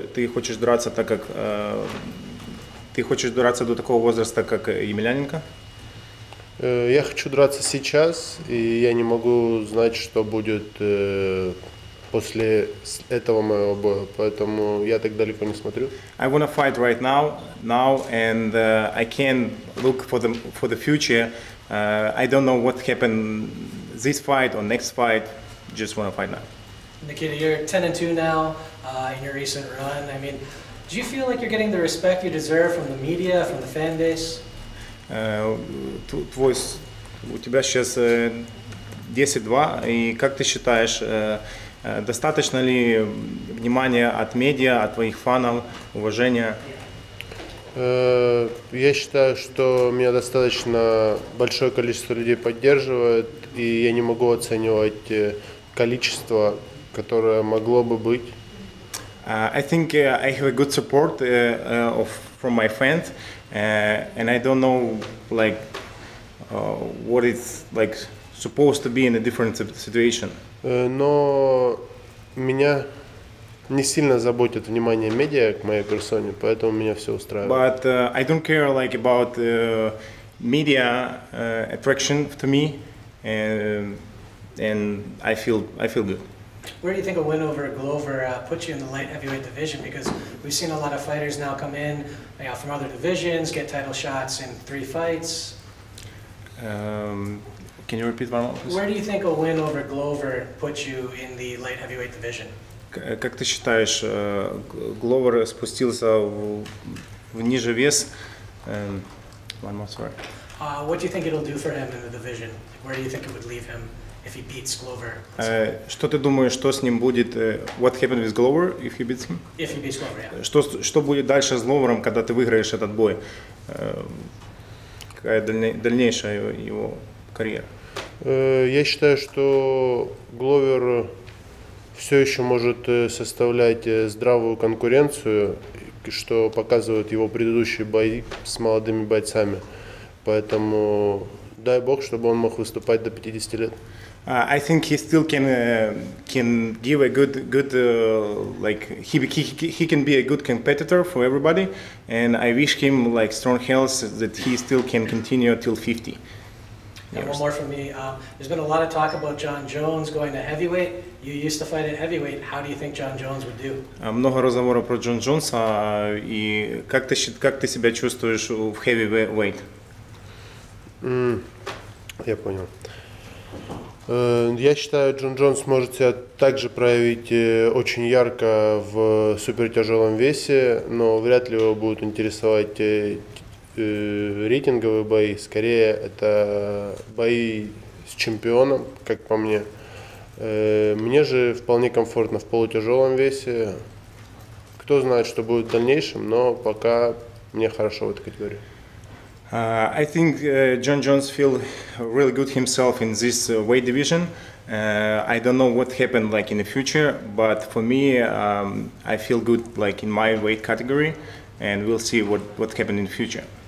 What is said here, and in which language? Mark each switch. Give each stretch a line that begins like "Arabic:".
Russian: Ты хочешь драться так как ты хочешь драться до такого возраста как Емельяненко? Я хочу драться сейчас, и я не могу знать, что будет после этого моего боя, поэтому я так далеко не смотрю.
English: I want to fight right now, and I can't look for the future. I don't know what happened this fight or next fight. Just want to fight now. Nikita, you're 10-2 now in your recent run. I mean, Do you feel like you're getting the respect you deserve from the media, from the fan base?
Russian: Твой, у тебя сейчас 10-2, и как ты считаешь, достаточно ли внимания от медиа, от твоих фанов, уважения? Я считаю, что меня достаточно большое количество людей поддерживает, и я не могу оценивать количество, которое могло бы быть.
English: I think I have a good support from my fans, and I don't know like what it's like supposed to be in a different situation.
Russian: Но меня не сильно заботит внимание медиа к моей персоне, поэтому меня все устраивает.
English: But I don't care like about media attraction to me, and I feel good. Where do you think a win over Glover puts you in the light heavyweight division? Because we've seen a lot of fighters now come in, you know, from other divisions, get title shots in three fights. Can you repeat one more, please? Where do you think a win over Glover puts you in the light heavyweight division?
Russian: Как ты считаешь, Гловер спустился в ниже вес?
English: One more, sorry. What do you think it'll do for him in the division? Where do you think it would leave him? If he beats Glover,
Russian: что ты думаешь, что с ним будет?
English: What happened with Glover if he beats him? If he beats Glover, yeah.
Russian: Что будет дальше с Гловером, когда ты выиграешь этот бой? Какая дальнейшая его карьера? Я считаю, что Гловер все еще может составлять здравую конкуренцию, что показывают его предыдущие бои с молодыми бойцами. Поэтому дай бог, чтобы он мог выступать до 50 лет.
English: I think he still can give a good like he can be a good competitor for everybody, and I wish him like strong health that he still can continue till 50. And one more from me. There's been a lot of talk about John Jones going to heavyweight. You used to fight at heavyweight. How do you think John Jones would do?
Russian: Много разговоров про Джон Джонса, и как ты себя чувствуешь в heavyweight? Я понял. Я считаю, Джон Джонс может себя также проявить очень ярко в супертяжелом весе, но вряд ли его будут интересовать рейтинговые бои. Скорее, это бои с чемпионом, как по мне. Мне же вполне комфортно в полутяжелом весе. Кто знает, что будет в дальнейшем, но пока мне хорошо в этой категории.
English: I think John Jones feel really good himself in this weight division. I don't know what happened like in the future, but for me, I feel good like in my weight category, and we'll see what happened in the future.